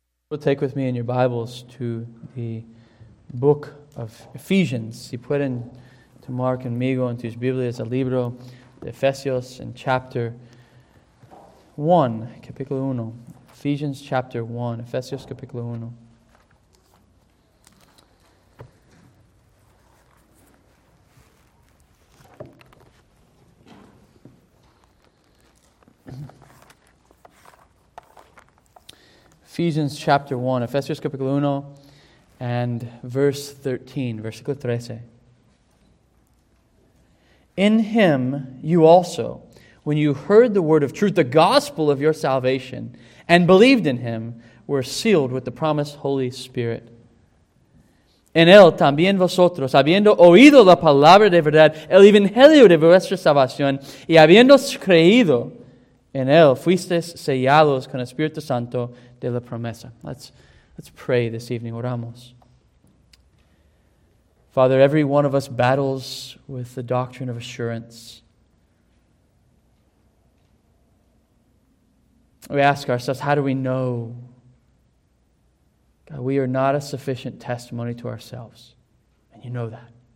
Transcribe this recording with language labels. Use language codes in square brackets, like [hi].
[en] Well, take with me in your Bibles to the book of Ephesians. [es] Si pueden tomar conmigo en tus Biblias el libro de Efesios en [en] chapter 1, [es] capítulo 1. [en] Ephesians chapter 1, [es] Efesios capítulo 1. [en] Ephesians chapter 1, [es] Efesios capítulo 1, [en] and verse 13, [es] versículo 13. [en] In him you also, when you heard the word of truth, the gospel of your salvation, and believed in him, were sealed with the promised Holy Spirit. [es] En él también vosotros, habiendo oído la palabra de verdad, el evangelio de vuestra salvación, y habiendo creído, en él fuisteis sellados con el Espíritu Santo de la promesa. [en] Let's pray this evening. [es] Oramos. [en] Father, every one of us battles with the doctrine of assurance. We ask ourselves, how do we know? God, we are not a sufficient testimony to ourselves. And you know that.